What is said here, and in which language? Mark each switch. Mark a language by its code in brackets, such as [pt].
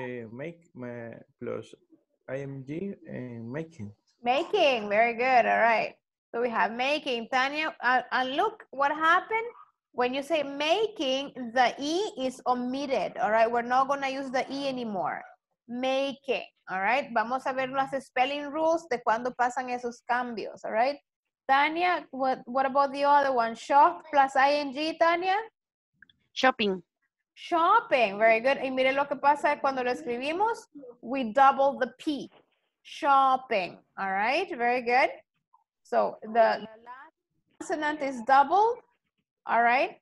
[en] Making. Making, very good, all right. So we have making, Tania, and look what happened. When you say making, the E is omitted, all right? We're not gonna use the E anymore. Making, all right? [es] Vamos a ver las spelling rules de cuando pasan esos cambios, [en] all right? Tania, what about the other one? Shop plus ing, Tania? Shopping. Shopping, very good. [es] Y mire lo que pasa cuando lo escribimos. [en] We double the P. Shopping, all right, very good. So the last consonant is double, all right.